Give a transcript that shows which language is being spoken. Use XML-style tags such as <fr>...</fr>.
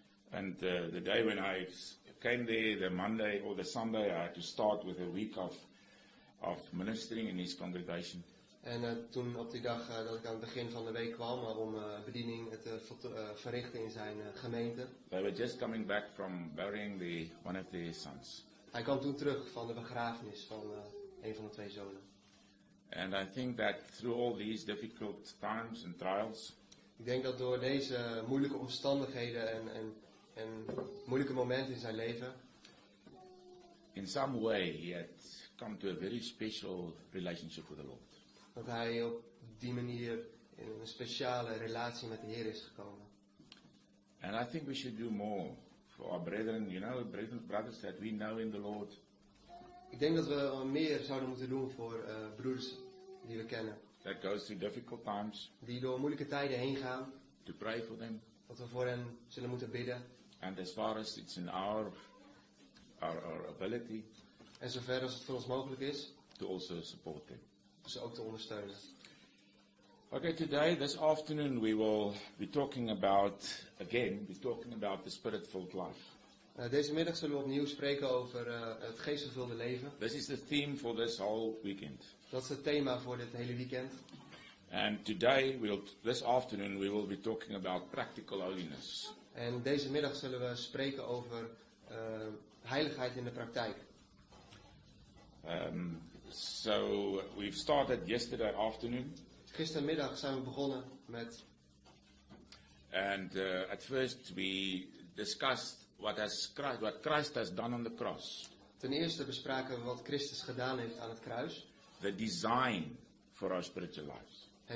<en>And the day when I came there, the Monday or the Sunday, I had to start with a week of ministering in his congregation.</en> <nl>En toen op die dag dat ik aan het begin van de week kwam om bediening te verrichten in zijn gemeente.</nl> <en>They were just coming back from burying one of their sons.</en> <nl>Hij kwam toen terug van de begrafenis van een van de twee zonen.</nl> <en>And I think that through all these difficult times and trials.</en> <nl>Ik denk dat door deze moeilijke omstandigheden en moeilijke momenten in zijn leven.</nl> <en>In some way he had come to a very special relationship with the Lord.</en> <nl>Dat hij op die manier in een speciale relatie met de Heer is gekomen.</nl> <en>And I think we should do more for our brethren, you know, brothers that we know in the Lord.</en> <nl>Ik denk dat we meer zouden moeten doen voor broeders die we kennen.</nl> <en>That goes through difficult times.</en> <nl>Die door moeilijke tijden heen gaan.</nl> <en>To pray for them.</en> <nl>Dat we voor hen zullen moeten bidden.</nl> <en>And as far as it's in our ability.</en> <nl>En zover als het voor ons mogelijk is.</nl> <en>To also support them.</en> <nl>Ze ook te ondersteunen.</nl> <en>Okay, today, this afternoon, we will be talking about, again, we're talking about the spirit-filled life.</en> <nl>Deze middag zullen we opnieuw spreken over het geestvervulde leven.</nl> <en>This is the theme for this whole weekend.</en> <nl>Dat is het thema voor dit hele weekend.</nl> <en>And today, this afternoon, we will be talking about practical holiness.</en> <nl>En deze middag zullen we spreken over heiligheid in de praktijk.</nl> <en>So we've started yesterday afternoon.</en> <nl>Gistermiddag zijn we begonnen met.</nl> <en>And at first we discussed what Christ has done on the cross.</en> <nl>Ten eerste bespraken we wat Christus gedaan heeft aan het kruis.</nl> <en>The design for our spiritual lives.</en>